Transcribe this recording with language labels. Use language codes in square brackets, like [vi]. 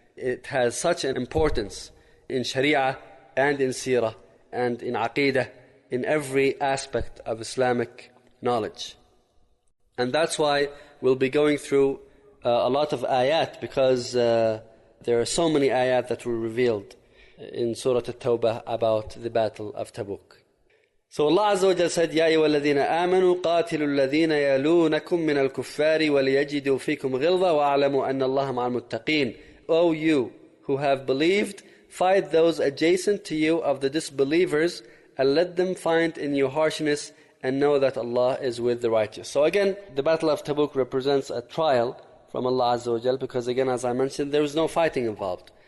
[en] It has such an importance in Sharia and in Seerah and in Aqidah, in every aspect of Islamic knowledge. And that's why we'll be going through a lot of ayat, because there are so many ayat that were revealed in Surah At-Tawbah about the Battle of Tabuk. So Allah Azza wa Jal said, [ar] يَا أَيُّهَا الَّذِينَ آمَنُوا قَاتِلُوا الَّذِينَ يَلُونَكُمْ مِنَ الْكُفَّارِ وَلِيَجِدُوا فِيكُمْ غِلْظَةً وَأَعْلَمُوا أَنَّ اللَّهَ مَعَ الْمُتَّقِينَ. [en] O you who have believed, fight those adjacent to you of the disbelievers, and let them find in you harshness, and know that Allah is with the righteous. So again, the Battle of Tabuk represents a trial from Allah Azza wa Jal, because again, as I mentioned, there was no fighting involved.